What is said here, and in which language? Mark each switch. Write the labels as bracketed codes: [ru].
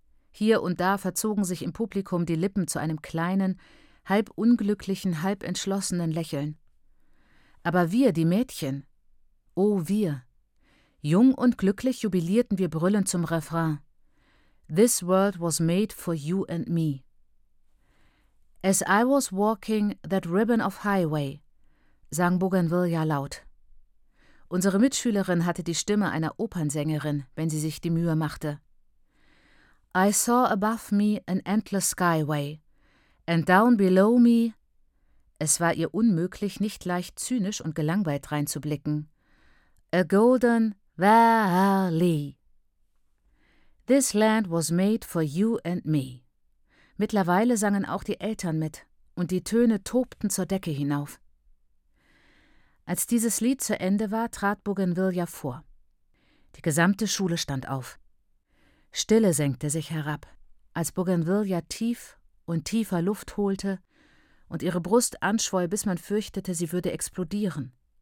[de] Hier und da verzogen sich im Publikum die Lippen zu einem kleinen, halb unglücklichen, halb entschlossenen Lächeln. Aber wir, die Mädchen, oh wir, jung und glücklich jubilierten wir brüllend zum Refrain: [en] This world was made for you and me. As I was walking that ribbon of highway, [de] sang Bougainvillea laut. Unsere Mitschülerin hatte die Stimme einer Opernsängerin, wenn sie sich die Mühe machte. [en] I saw above me an endless skyway, and down below me. [de] Es war ihr unmöglich, nicht leicht zynisch und gelangweilt reinzublicken. [en] A golden valley. This land was made for you and me. [de] Mittlerweile sangen auch die Eltern mit, und die Töne tobten zur Decke hinauf. Als dieses Lied zu Ende war, trat Bougainvillea vor. Die gesamte Schule stand auf. Stille senkte sich herab, als Bougainvillea tief und tiefer Luft holte und ihre Brust anschwoll, bis man fürchtete, sie würde explodieren.